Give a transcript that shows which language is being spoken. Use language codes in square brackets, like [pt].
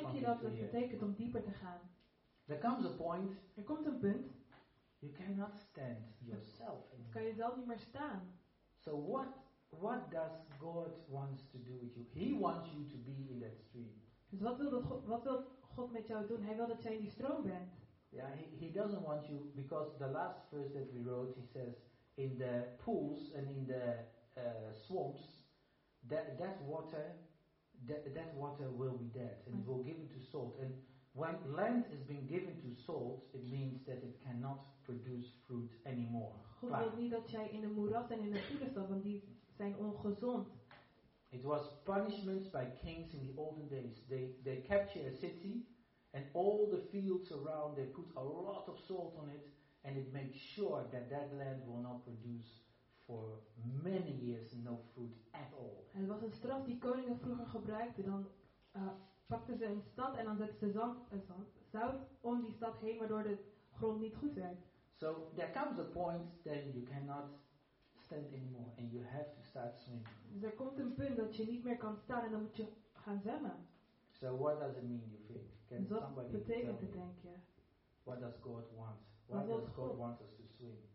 [nl] denk je dat het betekent om dieper te gaan? [en] There comes a point. [nl] Er komt een punt. [en] You cannot stand yourself. [nl] Kan je zelf niet meer staan? [en] So what does God wants to do with you? He wants you to be in that stream. [nl] Dus wat wil God met jou doen? Hij wil dat jij in die stroom bent. [en] Yeah, he doesn't want you because the last verse that we wrote, he says. In the pools and in the swamps, that water that water will be dead, and it will give it to salt. And when land is being given to salt, it means that it cannot produce fruit anymore. [nl] God wil niet dat jij in een moeras en in een poeder staat, want die zijn ongezond. [en] It was punishments by kings in the olden days. They capture a city, and all the fields around, they put a lot of salt on it, and it makes sure that that land will not produce for many years no fruit at all. [nl] En het was een straf die koningen vroeger gebruikten. Dan pakten ze een stad en dan zetten ze zout om die stad heen, waardoor de grond niet goed werd. [en] So there comes a point that you cannot stand anymore and you have to start swimming. [nl] Dus er komt een punt dat je niet meer kan staan en dan moet je gaan zwemmen. [en] So what does it mean, you think? Can somebody [nl] betekent het, denk je? [en] What does God want? Why does God want us to swim?